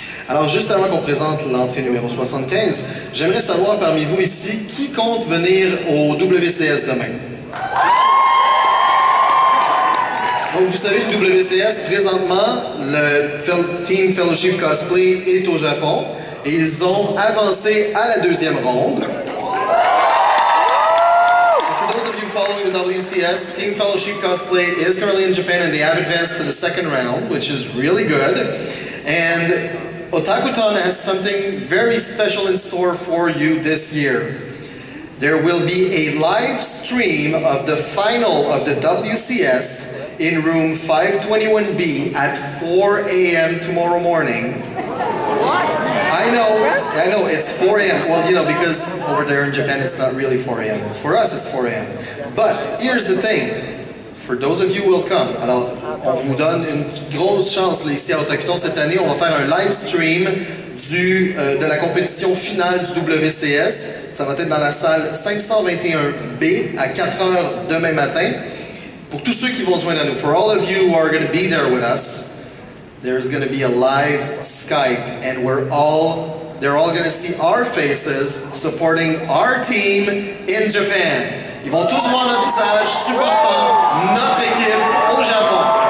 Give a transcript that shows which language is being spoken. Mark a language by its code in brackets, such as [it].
[fr] Alors, juste avant qu'on présente l'entrée numéro 75, j'aimerais savoir parmi vous ici, qui compte venir au WCS demain? Donc, vous savez, le WCS, présentement, le Team Fellowship Cosplay est au Japon. Et ils ont avancé à la deuxième ronde. [en] So for those of you following the WCS, Team Fellowship Cosplay is currently in Japan and they have advanced to the second round, which is really good. And Otakuthon has something very special in store for you this year. There will be a live stream of the final of the WCS in room 521B at 4 a.m. tomorrow morning. What? I know, it's 4 a.m. Well, you know, because over there in Japan, it's not really 4 a.m. It's for us, it's 4 a.m. But here's the thing. For those of you who will come, [fr] alors, on vous donne une grosse chance là, ici à Otakuthon cette année. On va faire un live stream de la compétition finale du WCS. Ça va être dans la salle 521B à 4h demain matin. Pour tous ceux qui vont joindre à nous, [en] for all of you who are going to be there with us, there's going to be a live Skype, and they're all going to see our faces supporting our team in Japan. [fr] Ils vont tous voir notre visage supportant notre équipe au Japon.